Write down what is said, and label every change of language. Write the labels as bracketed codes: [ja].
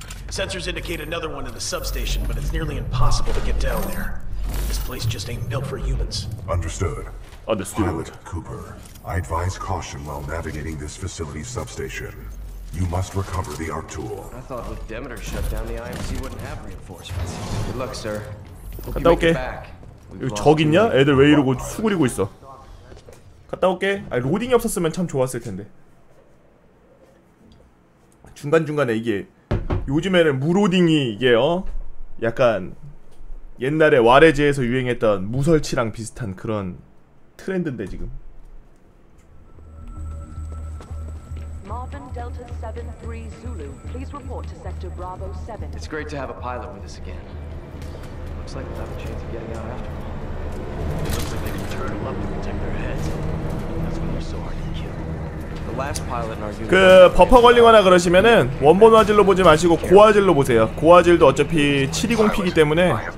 [en] Sensors indicate another one in the substation, but it's nearly impossible to get down there. This place just ain't built for humans. Understood. Understood. Pilot Cooper, I advise caution while navigating this facility's substation. You must recover the arc tool. I thought with Demeter shut down, the IMC wouldn't have reinforcements. Good luck, sir. [ko] Hope 갔다 올게. 여기 적 있냐? 애들 왜 이러고 수그리고 있어. 갔다 올게. 아, 로딩이 없었으면 참 좋았을 텐데. 중간중간에 이게 요즘에는 무로딩이 이게 어? 약간 옛날에 와레즈에서 유행했던 무설치랑 비슷한 그런 트렌드인데 지금. [en] 마빈 델타 73 Zulu, please report to sector Bravo 7. It's great to have a pilot with us again. Looks like we'll have a chance of getting out after all. It looks like they can turn them up to protect their heads. That's when they're so hard to kill. [ko] 그 버퍼 걸리거나 그러시면은 원본 화질로 보지 마시고 고화질로 보세요. 고화질도 어차피 720p이기 때문에.